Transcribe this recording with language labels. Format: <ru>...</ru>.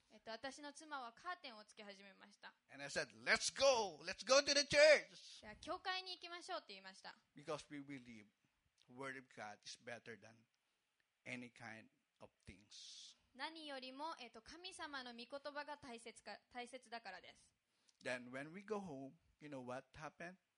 <ja>私の妻はカーテンをつけ始めました。</ja> <en>And I said, "Let's go. Let's go to the church."</en> <ja>教会に行きましょうって言いました。</ja> <en>Because we believe the word of God is better than any kind of things.</en> <ja>何よりも神様の御言葉が大切だからです。</ja> <en>Then when we go home, you know what happened?</en>